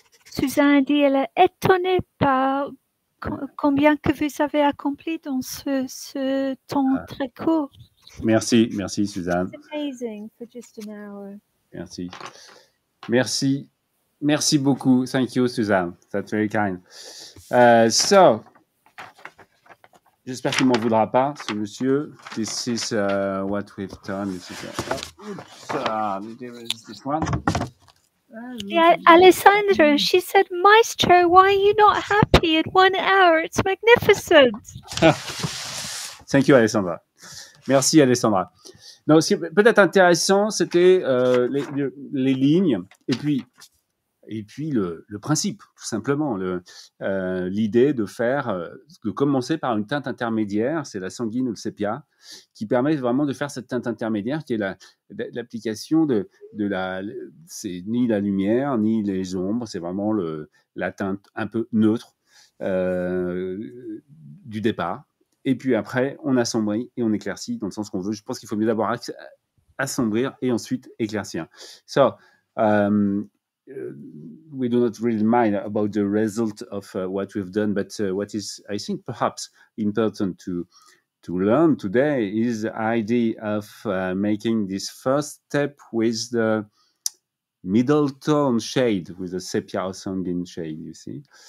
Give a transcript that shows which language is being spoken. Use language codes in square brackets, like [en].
[fr] Suzanne dit elle est étonnée par combien que vous avez accompli dans ce temps très court. Merci, merci Suzanne. [en] It's amazing for just an hour. [fr] Merci. Merci. Merci beaucoup. [en] Thank you, Suzanne. That's very kind. [fr] So, j'espère qu'il ne m'en voudra pas, ce monsieur. [en] This is what we've done. This is, oh, oops, there is this one. Alessandra, she said, Maestro, why are you not happy in 1 hour? It's magnificent. Thank you, Alessandra. [fr] Merci, [en] Alessandra. [fr] Non, ce qui est peut-être intéressant, c'était les lignes et puis le principe, tout simplement. L'idée de commencer par une teinte intermédiaire, c'est la sanguine ou le sépia, qui permet vraiment de faire cette teinte intermédiaire qui est l'application de la... C'est ni la lumière, ni les ombres, c'est vraiment la teinte un peu neutre du départ. Et puis après, on assombrit et on éclaircit dans le sens qu'on veut. Je pense qu'il faut mieux d'abord assombrir et ensuite éclaircir. [en] So, we do not really mind about the result of what we've done, but what is, I think, perhaps important to learn today is the idea of making this first step with the middle tone shade, with the sepia or sanguine shade, you see.